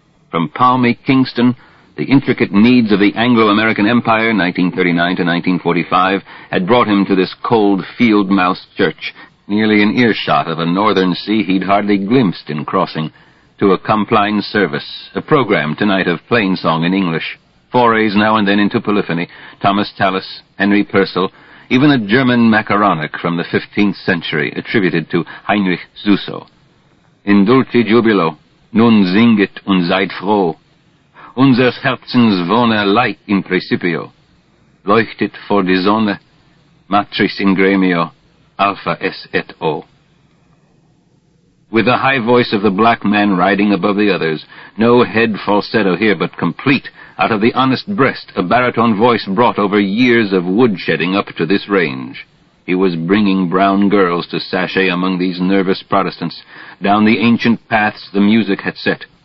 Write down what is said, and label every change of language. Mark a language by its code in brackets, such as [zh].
[en] From palmy Kingston, the intricate needs of the Anglo-American Empire, 1939 to 1945, had brought him to this cold field-mouse church, nearly an earshot of a northern sea he'd hardly glimpsed in crossing, to a compline service, a program tonight of plain song in English, forays now and then into polyphony, Thomas Tallis, Henry Purcell, even a German macaronic from the 15th century attributed to Heinrich Zuso. [la] In dulci jubilo, [de] nun singet und seid froh. Unsers Herzens wohne leicht [la] in principio. [de] Leuchtet vor die Sonne, [la] matris in gremio, Alpha S et O. [en] With the high voice of the black man riding above the others, no head falsetto here but complete, out of the honest breast, a baritone voice brought over years of woodshedding up to this range. He was bringing brown girls to sashay among these nervous Protestants, down the ancient paths the music had set.